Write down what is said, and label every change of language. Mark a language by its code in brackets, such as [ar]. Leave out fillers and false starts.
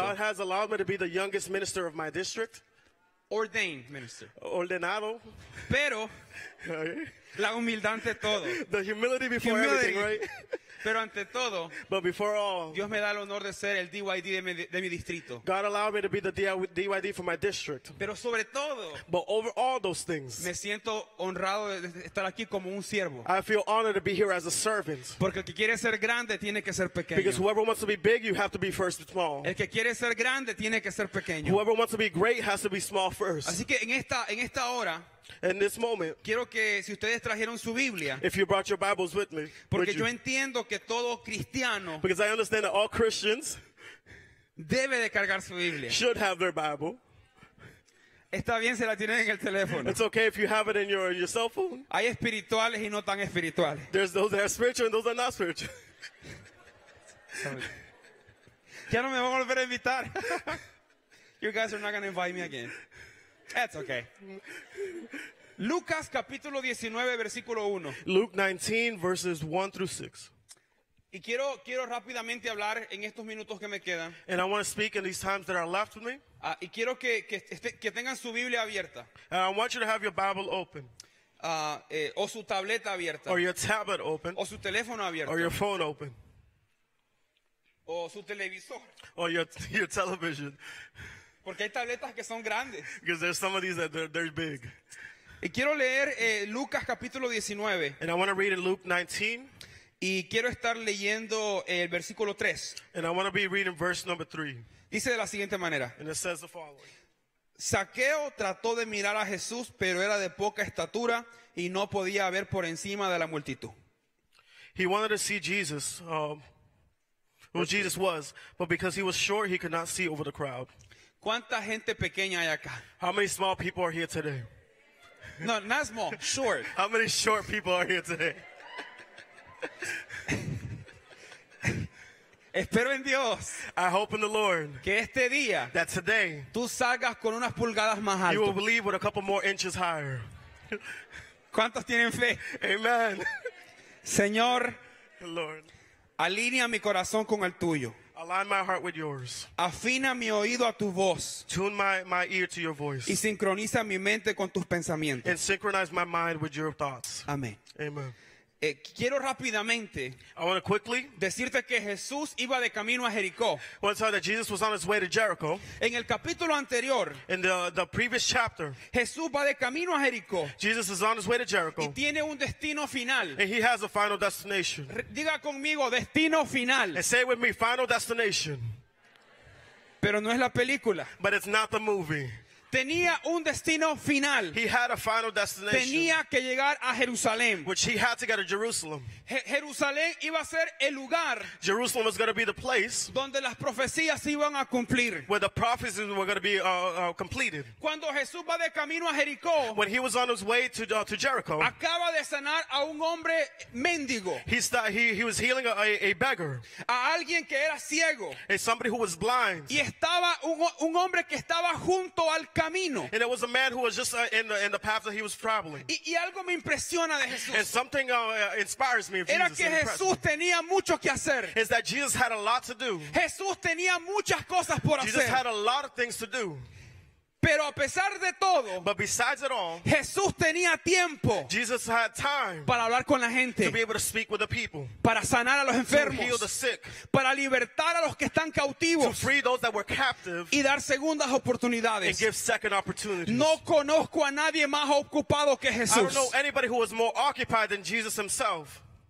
[en] God has allowed me to be the youngest minister of my district. Ordained minister. [es] Ordenado. Pero, la humildad ante todo. [en] The humility before everything, right? [es] Pero ante todo. [en] But before all. [es] Dios me da el honor de ser el DYD de mi distrito. [en] God allowed me to be the DYD for my district. [es] Pero sobre todo. [en] But over all those things. [es] Me siento honrado de estar aquí como un siervo. [en] I feel honored to be here as a servant. [es] Porque el que quiere ser grande tiene que ser pequeño. [en] Because whoever wants to be big, you have to be first small. [es] El que quiere ser grande tiene que ser pequeño. [en] Whoever wants to be great has to be small first. [es] Así que en esta hora. [en] In this moment, [es] quiero que si ustedes trajeron su Biblia, [en] if you brought your Bibles with me, [es] porque [en] with you, [es] yo entiendo que todo cristiano, [en] because I understand that all Christians [es] debe de cargar su Biblia, [en] should have their Bible. [es] Está bien si la tienen en el teléfono. [en] It's okay if you have it in your cell phone. [es] Hay espirituales y no tan espirituales. [en] There's those that are spiritual and those that are not spiritual. [es] Ya no me van a volver a invitar. [en] You guys are not going to invite me again. That's okay. [es] Lucas capítulo 19 versículo 1. [en] Luke 19 verses 1 through 6. [es] Y quiero rápidamente hablar en estos minutos que me quedan. [en] And I want to speak in these times that are left with me. [es] Y quiero que tengan su Biblia abierta. [en] And I want you to have your Bible open. [es] o su tableta abierta, [en] or your tablet open, [es] o su teléfono abierto, [en] or your phone open, [es] o su televisor, [en] or your television. [es] Porque hay tabletas que son grandes. [en] Because there's some of these that they're big. [es] Y quiero leer Lucas capítulo 19. [en] And I want to read in Luke 19. [es] Y quiero estar leyendo el versículo 3. [en] And I want to be reading verse number 3. [es] Dice de la siguiente manera. [en] And it says the following. [es] Zaqueo trató de mirar a Jesús, pero era de poca estatura y no podía ver por encima de la multitud. [en] He wanted to see Jesus, who Jesus was, but because he was short, he could not see over the crowd. [es] ¿Cuánta gente pequeña hay acá? [en] How many small people are here today? No, not small, short. How many short people are here today? [es] Espero en Dios. [en] I hope in the Lord. [es] Que este día, [en] that today, [es] tú salgas con unas pulgadas más alto. [en] You will believe with a couple more inches higher. [es] ¿Cuántos tienen fe? [en] Amen. [es] Señor, [en] the Lord, [es] alinea mi corazón con el tuyo. [en] Align my heart with yours. [es] Afina mi oído a tu voz. [en] Tune my ear to your voice. [es] Y sincroniza mi mente con tus pensamientos. [en] And synchronize my mind with your thoughts. [es] Amén. [en] Amen. [es] Quiero rápidamente decirte que Jesús iba de camino a Jericó. [en] Well, so that Jesus was on his way to Jericho. [es] En el capítulo anterior, [en] in the previous chapter, [es] Jesús va de camino a Jericó. [en] Jesus is on his way to Jericho. [es] Y tiene un destino final. [en] And he has a final destination. [es] Diga conmigo, destino final. [en] And say with me, final destination. [es] Pero no es la película. [en] But it's not the movie. [es] Tenía un destino final. [en] He had a final destination. [es] Tenía que llegar a Jerusalén. [en] Which he had to go to Jerusalem. [es] Jerusalén iba a ser el lugar. [en] Jerusalem was going to be the place. [es] Donde las profecías iban a cumplir. [en] Where the prophecies were going to be completed. [es] Cuando Jesús va de camino a Jericó. [en] When he was on his way to Jericho. [es] Acaba de sanar a un hombre mendigo. [en] He was healing a beggar. [es] A alguien que era ciego. [en] And somebody who was blind. [es] Y estaba un hombre que estaba junto al camino. [en] And it was a man who was just in the path that he was traveling. [es] Y algo me impresiona de Jesús. [en] And something inspires me of [es] era [en] Jesus. [es] Que Jesús tenía mucho que hacer. [en] Is that Jesus had a lot to do. [es] Jesús tenía muchas cosas por [en] Jesus [es] hacer. [en] Had a lot of things to do. [es] Pero a pesar de todo, [en] but besides it all, [es] Jesús tenía tiempo. [en] Jesus had time [es] para hablar con la gente, [en] to be able to speak with the people, [es] para sanar a los enfermos, [en] to heal the sick, [es] para libertar a los que están cautivos, [en] to free those that were captive, [es] y dar segundas oportunidades, [en] and give second opportunities. [es] No conozco a nadie más ocupado que Jesús. [en] I don't know anybody who was more occupied than Jesus himself.